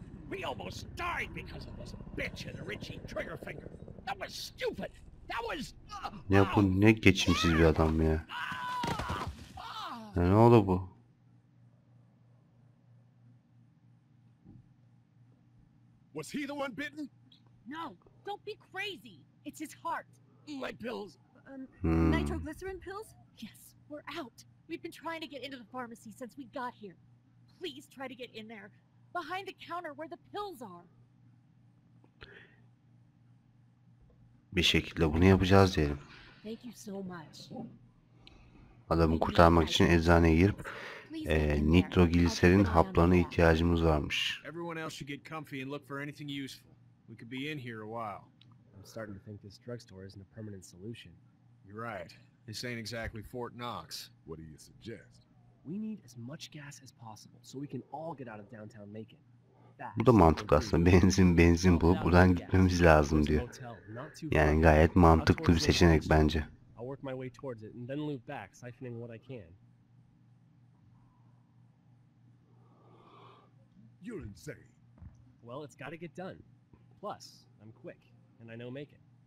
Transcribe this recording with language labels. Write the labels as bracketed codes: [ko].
[en] We almost died because of this bitch and Richie Triggerfinger. That was stupid. That was. [tr] Ya bu ne geçimsiz bir adam ya. Ne oldu bu? [en] Was he the one bitten? No. Don't be crazy. It's his heart. My pills. Nitroglycerin pills? Yes. We're out. We've been trying to get into the pharmacy since we got here. Please try to get in there. Behind the counter where the pills are. [tr] Bir şekilde bunu yapacağız diyelim. [en] Thank you so much. [tr] Adamı kurtarmak için eczaneye girip nitroglyserin haplarına ihtiyacımız varmış. [en] Everyone else should get comfy and look for anything useful. We could be in here a while. I'm starting to think this drugstore isn't a permanent solution. You're right. This ain't exactly Fort Knox. What do you suggest? We need as much gas as possible so we can all get out of downtown Macon. [tr] Bu da mantıklı aslında. Benzin bulup buradan gitmemiz lazım diyor. Yani gayet mantıklı bir seçenek bence. [en] I'll work my way towards it and then loop back, siphoning what I can. You're insane. Well, it's gotta get done. Plus, I'm quick and I know Macon.